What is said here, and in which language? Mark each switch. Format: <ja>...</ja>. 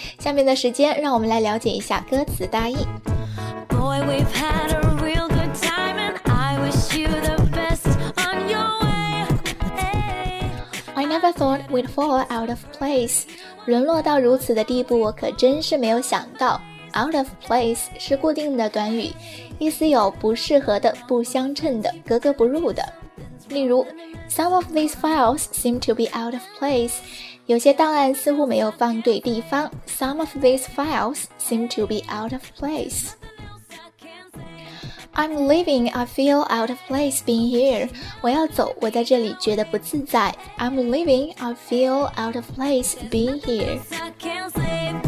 <zh>下面的时间让我们来了解一下歌词大意。</zh> <en>Boy, we've had a real good time and I wish you the best on your way、hey. I never thought we'd fall out of place。</en> <zh>沦落到如此的地步，我可真是没有想到。 Out of place 是固定的短语，意思有不适合的、不相称的、格格不入的。例如</zh> <en>Some of these files seem to be out of place，</en> <zh>有些档案似乎没有放对地方。</zh> <en>Some of these files seem to be out of place。 I'm leaving, I feel out of place being here。</en> <zh>我要走，我在这里觉得不自在。</zh> <en>I'm leaving, I feel out of place being here。</en>